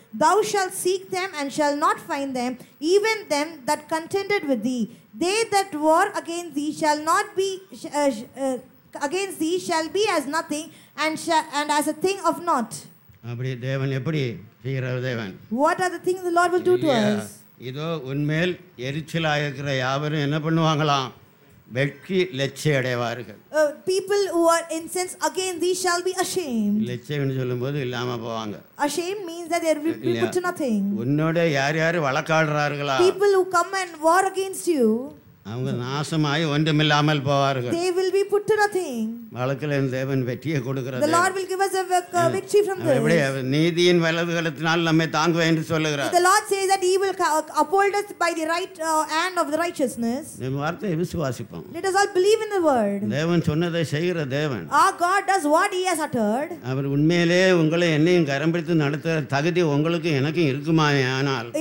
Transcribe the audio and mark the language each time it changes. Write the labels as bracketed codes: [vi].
[en] Thou shalt seek them and shall not find them, even them that contended with thee. They that war against thee shall not be against thee shall be as nothing and as a thing of naught. [ta] அப்படி தேவன் எப்படி செய்கிறார் தேவன்? [en] What are the things the Lord will do to us? [ta] இதோ உன்மேல் எரிச்சலாக இருக்கிற யாவரும் என்ன பண்ணுவாங்களாம்? வெட்கி லெச்சை அடைவார்கள். [en] People who are incensed against thee shall be ashamed. [ta] லெச்சைன்னு சொல்லும்போது இல்லாம போவாங்க. [en] Ashamed means that they will be put to nothing. [ta] உன்னோட யார் யார் வழக்காடுறார்களா? [en] People who come and war against you. [ta] அவங்க நாசமாய் ஒன்றுமில்லாமல் போவார்கள். [en] They will be put to nothing. [ta] வழக்கிலே தேவன் வெற்றியை கொடுக்கிறார். [en] The Lord will give us a victory from this. [ta] எப்படி நீதியின் வலதுகளத்தினால் நம்மை தாங்குவேன் என்று சொல்கிறார். [en] The Lord says that he will uphold us by the right hand of the righteousness. [ta] நம்ம வார்த்தையை விசுவாசிப்போம். [en] Let us all believe in the word. [ta] தேவன் சொன்னதை செய்கிற தேவன். [en] Our God does what he has uttered. [ta] அவர் உண்மையிலே உங்களை என்னையும் கரம் பிடித்து நடத்துகிற தகுதி உங்களுக்கும் எனக்கும் இருக்குமானால்.